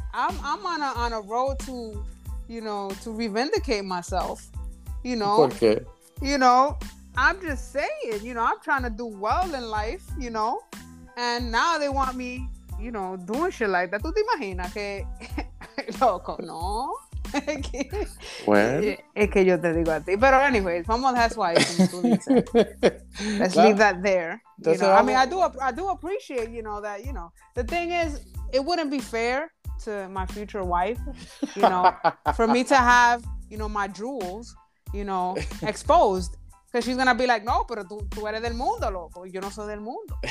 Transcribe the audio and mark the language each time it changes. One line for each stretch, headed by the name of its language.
English: I'm on a road to, you know, to revindicate myself, you know.
Spanish: ¿Por qué?
English: You know, I'm just saying, you know, I'm trying to do well in life, you know. And now they want me, you know, doing shit like that.
Spanish: ¿Tú te imaginas que, loco, no? Es que yo te digo a ti. Pero anyways, vamos a dejar eso ahí, como tú dices.
English: Let's leave that there. You know? I mean, I do appreciate, you know, that, you know. The thing is, it wouldn't be fair to my future wife, you know, for me to have, you know, my jewels, you know, exposed, because she's gonna be like, no,
Spanish: pero tú eres del mundo,
English: loco, yo no soy del mundo.